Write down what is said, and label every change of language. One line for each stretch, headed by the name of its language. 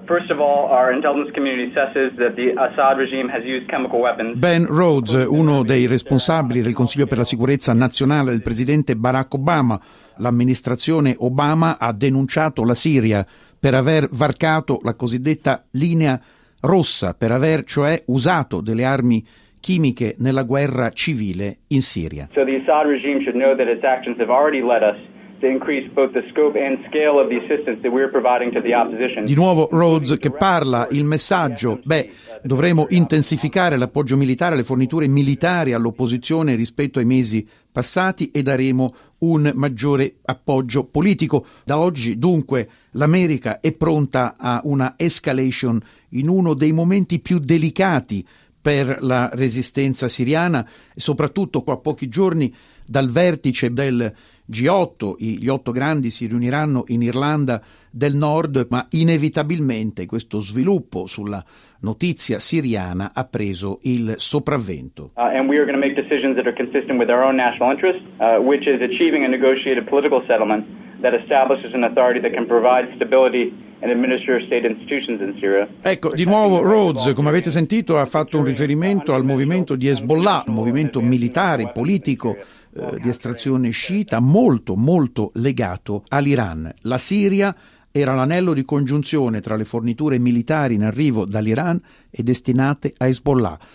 English: First of all, our intelligence community assesses that the Assad regime has used chemical weapons.
Italian: Ben Rhodes, uno dei responsabili del Consiglio per la sicurezza nazionale del presidente Barack Obama. L'amministrazione Obama ha denunciato la Siria per aver varcato la cosiddetta linea rossa, per aver cioè usato delle armi chimiche nella guerra civile in Siria.
English: So the Assad regime should know that its actions have already led us to increase both the scope and scale of the assistance that we're providing to the opposition.
Italian: Di nuovo Rhodes che parla, il messaggio, dovremo intensificare l'appoggio militare, le forniture militari all'opposizione rispetto ai mesi passati e daremo un maggiore appoggio politico. Da oggi, dunque, l'America è pronta a una escalation in uno dei momenti più delicati per la resistenza siriana e soprattutto qua pochi giorni dal vertice del G8, gli otto grandi si riuniranno in Irlanda del Nord, ma inevitabilmente questo sviluppo sulla notizia siriana ha preso il sopravvento.
English: And we are going to make decisions that are consistent with our own national interest, which is achieving a negotiated political settlement that establishes an authority that can provide stability and administer state institutions in Syria.
Italian: Ecco, di nuovo Rhodes, come avete sentito, ha fatto un riferimento al movimento di Hezbollah, un movimento militare, politico, di estrazione sciita, molto, molto legato all'Iran. La Siria era l'anello di congiunzione tra le forniture militari in arrivo dall'Iran e destinate a Hezbollah.